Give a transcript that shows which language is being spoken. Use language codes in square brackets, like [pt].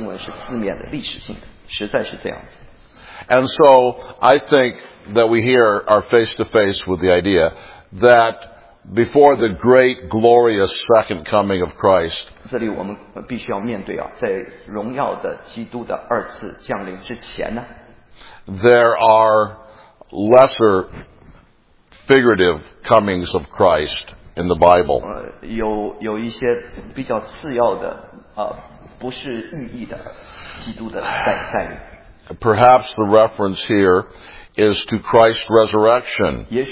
[zh] 但是对我来说，寓意解经好像不太合适，应该这段经文是字面的、历史性的，实在是这样子。 [en] And so I think that we here are face to face with the idea that before the great glorious second coming of Christ, [zh] 这里我们必须要面对啊，在荣耀的基督的二次降临之前呢, [en] there are lesser figurative comings of Christ in the Bible. [zh] 有一些比较次要的，不是寓意的基督的再临。 [en] Perhaps the reference here is to Christ's resurrection.